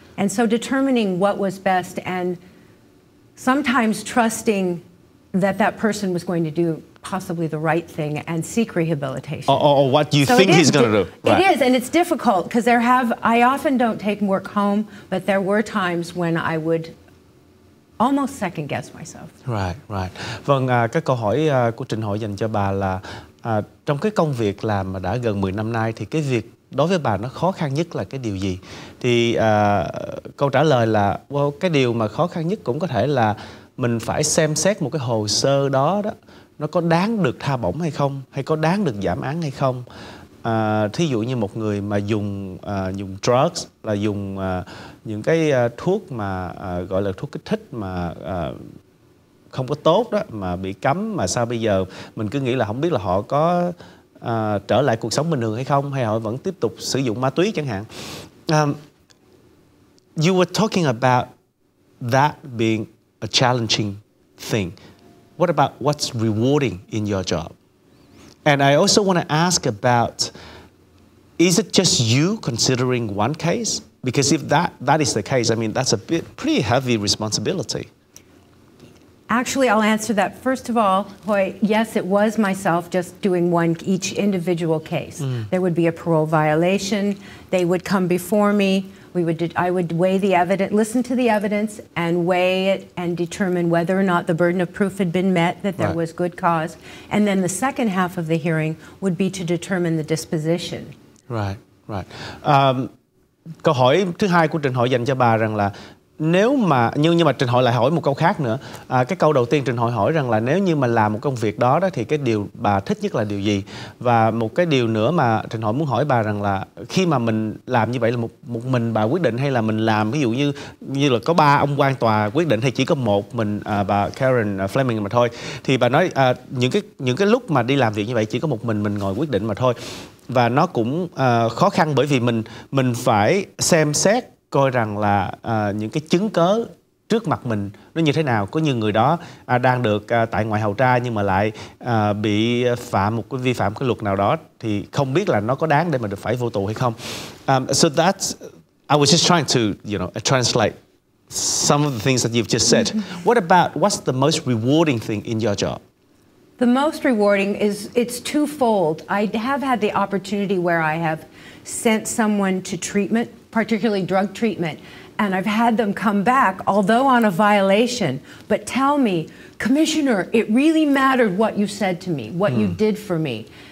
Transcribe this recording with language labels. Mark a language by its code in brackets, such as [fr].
[en] And so determining what was best, and sometimes trusting that that person was going to do possibly the right thing and seek rehabilitation. Or what you think he's going to do. Right. It is, and it's difficult, because I often don't take work home, but there were times when I would almost second guess myself. Right, right. [vi] Vâng, cái câu hỏi của Trịnh Hội dành cho bà là trong cái công việc làm mà đã gần 10 năm nay, thì cái việc đối với bà nó khó khăn nhất là cái điều gì? Thì câu trả lời là, well, cái điều mà khó khăn nhất cũng có thể là mình phải xem xét một cái hồ sơ đó nó có đáng được tha bổng hay không, hay có đáng được giảm án hay không. Thí dụ như một người mà dùng drugs, là dùng những cái thuốc mà gọi là thuốc kích thích mà không có tốt đó, mà bị cấm, mà sao bây giờ mình cứ nghĩ là không biết là họ có trở lại cuộc sống bình thường hay không, hay họ vẫn tiếp tục sử dụng ma túy chẳng hạn. [en] You were talking about that being a challenging thing. What about what's rewarding in your job? And I also want to ask about, is it just you considering one case? Because if that is the case, I mean, that's a bit pretty heavy responsibility. Actually, I'll answer that. First of all, Hoy, yes, it was myself just doing each individual case. Mm. There would be a parole violation. They would come before me. I would weigh the evidence, listen to the evidence, and weigh it and determine whether or not the burden of proof had been met, that there was good cause. And then the second half of the hearing would be to determine the disposition. Right, right. [vi] Câu hỏi thứ hai của Trịnh Hội dành cho bà rằng là, nếu mà, nhưng mà Trịnh Hội lại hỏi một câu khác nữa. Cái câu đầu tiên Trịnh Hội hỏi rằng là, nếu như mà làm một công việc đó thì cái điều bà thích nhất là điều gì? Và một cái điều nữa mà Trịnh Hội muốn hỏi bà rằng là, khi mà mình làm như vậy là một mình bà quyết định, hay là mình làm ví dụ như là có ba ông quan tòa quyết định, hay chỉ có một mình bà Karen Fleming mà thôi? Thì bà nói những cái lúc mà đi làm việc như vậy chỉ có một mình ngồi quyết định mà thôi. Và nó cũng khó khăn, bởi vì mình phải xem xét coi rằng là những cái chứng cớ trước mặt mình nó như thế nào. Có như người đó đang được tại ngoại hầu tra nhưng mà lại bị phạm một cái vi phạm cái luật nào đó, thì không biết là nó có đáng để mà được phải vô tù hay không. [en] So that's, I was just trying to, you know, translate some of the things that you've just said. What about, what's the most rewarding thing in your job? The most rewarding is, it's twofold. I have had the opportunity where I have sent someone to treatment, particularly drug treatment, and I've had them come back, although on a violation, but tell me, Commissioner, it really mattered what you said to me, what you did for me.